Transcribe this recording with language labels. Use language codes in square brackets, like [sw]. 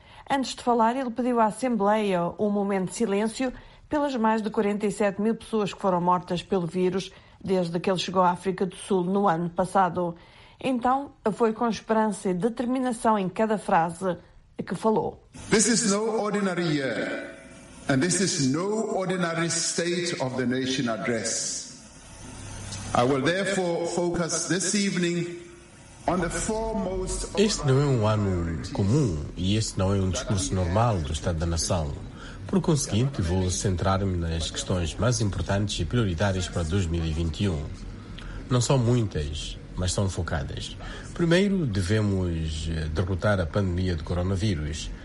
[pt] Antes de falar, ele pediu à Assembleia um momento de silêncio pelas mais de 47 mil pessoas que foram mortas pelo vírus desde que ele chegou à África do Sul no ano passado. Então, foi com esperança e determinação em cada frase que falou. [en] This is no ordinary year, and this is no ordinary State of the Nation address. I will therefore focus this evening on the foremost. [pt] Este não é um ano comum e este não é um discurso normal do Estado da Nação. Por conseguinte, vou centrar-me nas questões mais importantes e prioritárias para 2021. Não são muitas, mas são focadas. Primeiro, devemos derrotar a pandemia do coronavírus.